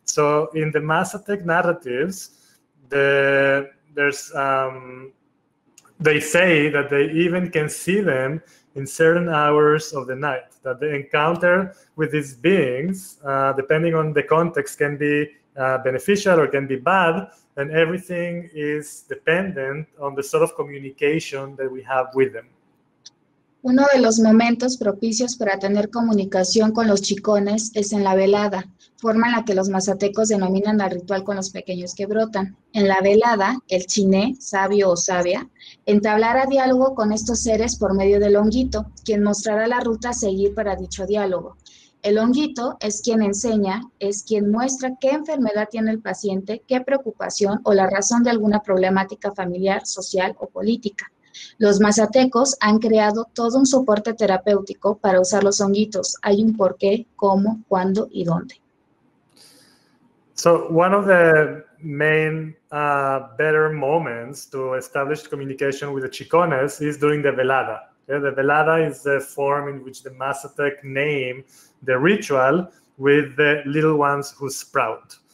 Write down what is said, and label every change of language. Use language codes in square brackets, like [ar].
[en] So in the Mazatec narratives, they say that they even can see them in certain hours of the night, that the encounter with these beings, depending on the context, can be beneficial or can be bad, and everything is dependent on the sort of communication that we have with them. [es] Uno de los momentos propicios para tener comunicación con los chicones es en la velada, forma en la que los mazatecos denominan al ritual con los pequeños que brotan. En la velada, el chiné, sabio o sabia, entablará diálogo con estos seres por medio del honguito, quien mostrará la ruta a seguir para dicho diálogo. El honguito es quien enseña, es quien muestra qué enfermedad tiene el paciente, qué preocupación o la razón de alguna problemática familiar, social o política. Los mazatecos han creado todo un soporte terapéutico para usar los honguitos. Hay un por qué, cómo, cuándo y dónde. [en] So one of the main better moments to establish communication with the Chicones is during the velada. Yeah, the velada is the form in which the Mazatec name the ritual with the little ones who sprout.